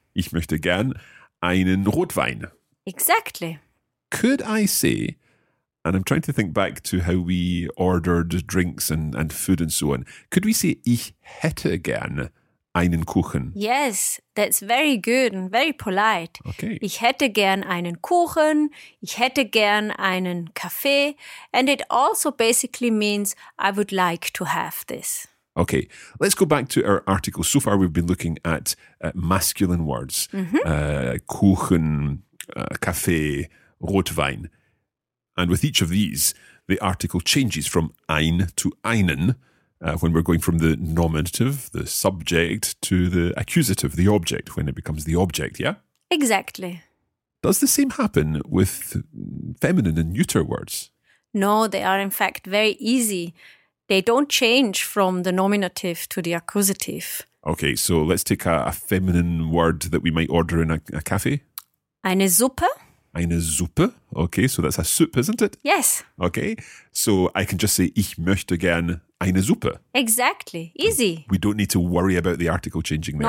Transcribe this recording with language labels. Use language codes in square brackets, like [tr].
[de] Ich möchte gern einen Rotwein. [en] Exactly. Could I say, and I'm trying to think back to how we ordered drinks and food and so on, could we say, [de] ich hätte gern einen Kuchen? [en] Yes, that's very good and very polite. Okay. [de] Ich hätte gern einen Kuchen, ich hätte gern einen Kaffee. [en] And it also basically means, I would like to have this. Okay, let's go back to our article. So far we've been looking at masculine words. Mm-hmm. Kuchen, Kaffee, Rotwein. And with each of these, the article changes from ein to einen when we're going from the nominative, the subject, to the accusative, the object, when it becomes the object, yeah? Exactly. Does the same happen with feminine and neuter words? No, they are in fact very easy. They don't change from the nominative to the accusative. Okay, so let's take a feminine word that we might order in a cafe. [de] Eine Suppe. Eine Suppe. [en] Okay, so that's a soup, isn't it? Yes. Okay, so I can just say, [de] ich möchte gern eine Suppe. [en] Exactly. Easy. So we don't need to worry about the article changing there.